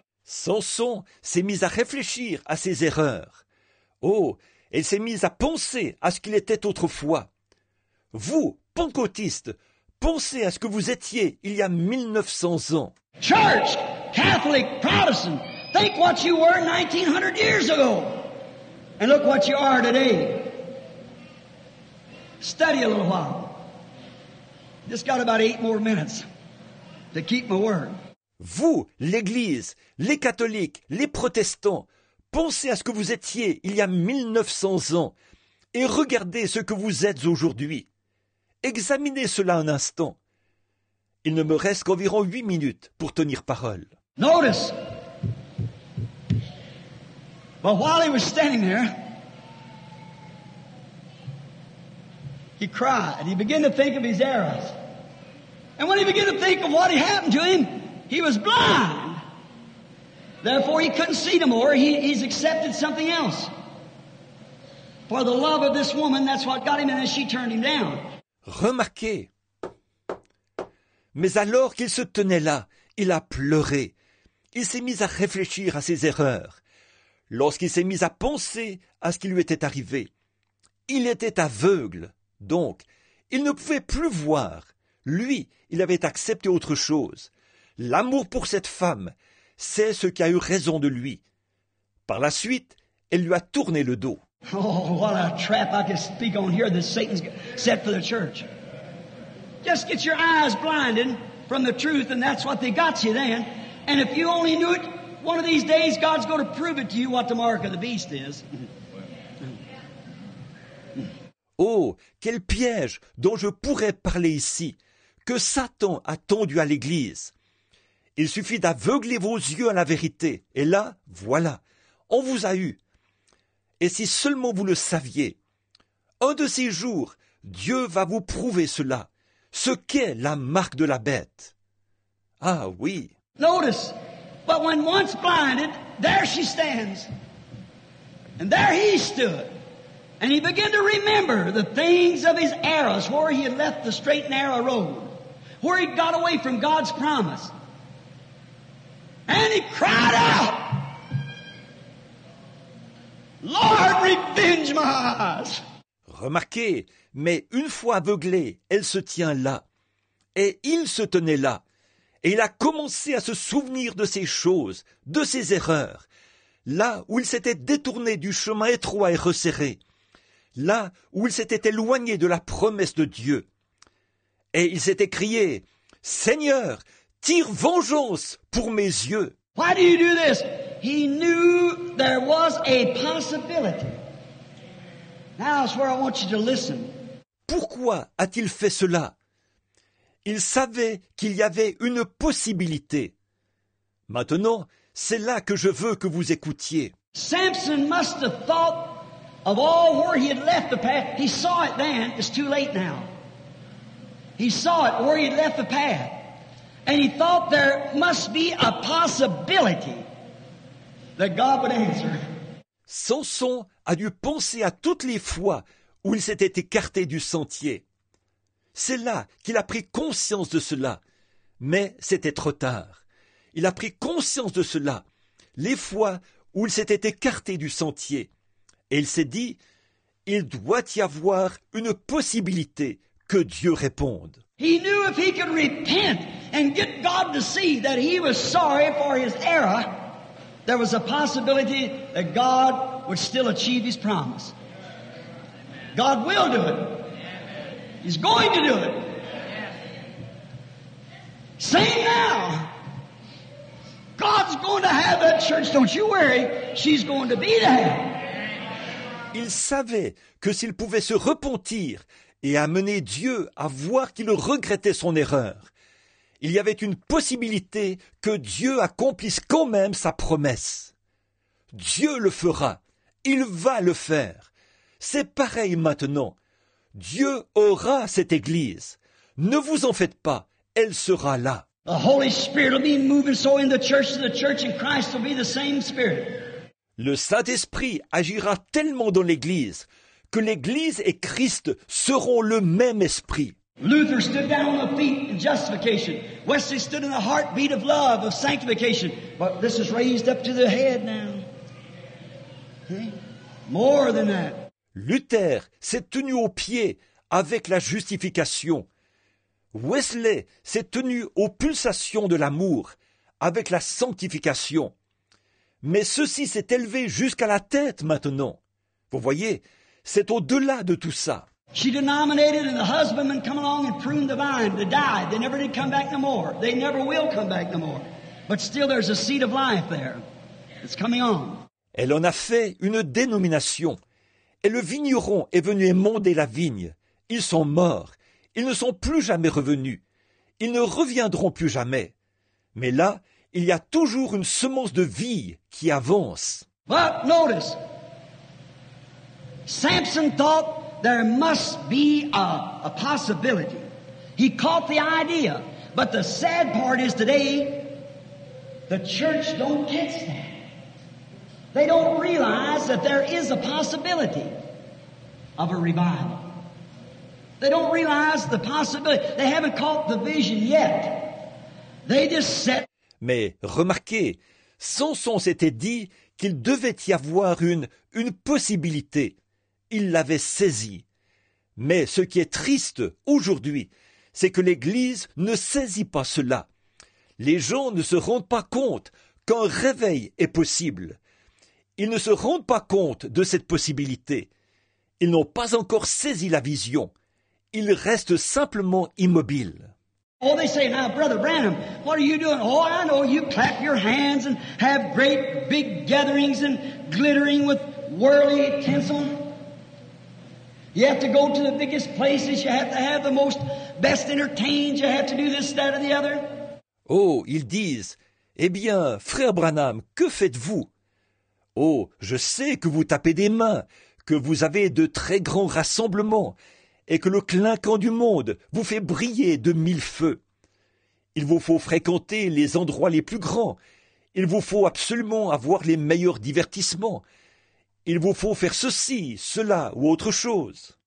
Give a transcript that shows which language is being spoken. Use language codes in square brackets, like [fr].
[fr] Samson s'est mis à réfléchir à ses erreurs. Oh, il s'est mis à penser à ce qu'il était autrefois. Vous, pentecôtistes, pensez à ce que vous étiez il y a 1900 ans. [en] Church, Catholic, Protestant, think what you were 1900 years ago. And look what you are today. Study a little while. Just got about 8 more minutes to keep my word. [fr] Vous, l'Église, les catholiques, les protestants, pensez à ce que vous étiez il y a 1900 ans et regardez ce que vous êtes aujourd'hui. Examinez cela un instant. Il ne me reste qu'environ 8 minutes pour tenir parole. [en] Notice. But while he was standing there, he cried. He began to think of his errors. And when he began to think of what had happened to him, he was blind. Therefore, he couldn't see no more. He's accepted something else. For the love of this woman, that's what got him, and then she turned him down. [fr] Remarquez. Mais alors qu'il se tenait là, il a pleuré. Il s'est mis à réfléchir à ses erreurs. Lorsqu'il s'est mis à penser à ce qui lui était arrivé, il était aveugle. Donc, il ne pouvait plus voir. Lui, il avait accepté autre chose. L'amour pour cette femme, c'est ce qui a eu raison de lui. Par la suite, elle lui a tourné le dos. [en] Oh, what a trap I can speak on here that Satan's set for the church. Just get your eyes blinded from the truth, and that's what they got you then. And if you only knew it, one of these days God's going to prove it to you what the mark of the beast is. [fr] Oh, quel piège dont je pourrais parler ici, que Satan a tendu à l'Église. Il suffit d'aveugler vos yeux à la vérité. Et là, voilà, on vous a eu. Et si seulement vous le saviez, un de ces jours, Dieu va vous prouver cela, ce qu'est la marque de la bête. Ah oui. [en] Notice, but when once blinded, there she stands. And there he stood. And he began to remember the things of his eras, where he had left the straight and narrow road, where he got away from God's promise. And he cried out, Lord, revenge my eyes. [fr] Remarquez, mais une fois aveuglée, elle se tient là. Et il se tenait là. Et il a commencé à se souvenir de ses choses, de ses erreurs, là où il s'était détourné du chemin étroit et resserré, là où il s'était éloigné de la promesse de Dieu. Et il s'était crié, « Seigneur, tire vengeance pour mes yeux !» [en] Why do you do this? He knew there was a possibility. Now is where I want you to listen. [fr] Pourquoi a-t-il fait cela? Il savait qu'il y avait une possibilité. Maintenant, c'est là que je veux que vous écoutiez. [en] Samson must have thought of all where he had left the path. He saw it then, it's too late now. He saw it where he had left the path. And he thought there must be a possibility that God would answer. [fr] Samson a dû penser à toutes les fois où il s'était écarté du sentier. C'est là qu'il a pris conscience de cela. Mais c'était trop tard. Il a pris conscience de cela, les fois où il s'était écarté du sentier. Et il s'est dit, il doit y avoir une possibilité que Dieu réponde. [en] He knew if he could repent and get God to see that he was sorry for his error, there was a possibility that God would still achieve his promise. God will do it. He's going to do it. Same now. God's going to have that church. Don't you worry. She's going to be there. [fr] Il savait que s'il pouvait se repentir et amener Dieu à voir qu'il regrettait son erreur, il y avait une possibilité que Dieu accomplisse quand même sa promesse. Dieu le fera. Il va le faire. C'est pareil maintenant. Dieu aura cette église. Ne vous en faites pas. Elle sera là. [en] The Holy Spirit will be moving so in the church in Christ will be the same Spirit. [fr] Le Saint-Esprit agira tellement dans l'église que l'Église et Christ seront le même esprit. [en] Luther stood down on the feet in justification. Wesley stood in the heartbeat of love, of sanctification. But this is raised up to the head now. More than that. [fr] Luther s'est tenu au pied avec la justification. Wesley s'est tenu aux pulsations de l'amour avec la sanctification. Mais ceci s'est élevé jusqu'à la tête maintenant. Vous voyez, c'est au-delà de tout ça. [en] She denominated and the husbandmen come along and prune the vine. They died. They never did come back no more. They never will come back no more. But still there's a seed of life there. It's coming on. [fr] Elle en a fait une dénomination. Et le vigneron est venu émonder la vigne. Ils sont morts. Ils ne sont plus jamais revenus. Ils ne reviendront plus jamais. Mais là, il y a toujours une semence de vie qui avance. [en] But notice, Samson thought there must be a possibility. He caught the idea. But the sad part is today, the church don't catch that. They don't realize that there is a possibility of a revival. They don't realize the possibility. They haven't caught the vision yet. They just set. [fr] Mais remarquez, Samson s'était dit qu'il devait y avoir une possibilité. Il l'avait saisi. Mais ce qui est triste aujourd'hui, c'est que l'Église ne saisit pas cela. Les gens ne se rendent pas compte qu'un réveil est possible. Ils ne se rendent pas compte de cette possibilité. Ils n'ont pas encore saisi la vision. Ils restent simplement immobiles. [en] Oh, they say, now, Brother Branham, what are you doing? Oh, I know, you clap your hands and have great big gatherings and glittering with worldly tinsel. You have to go to the biggest places, you have to have the most best entertained, you have to do this, that, or the other. [fr] Oh, ils disent, eh bien, Frère Branham, que faites-vous? Oh, je sais que vous tapez des mains, que vous avez de très grands rassemblements, et que le clinquant du monde vous fait briller de mille feux. Il vous faut fréquenter les endroits les plus grands, il vous faut absolument avoir les meilleurs divertissements, il vous faut faire ceci, cela ou autre chose.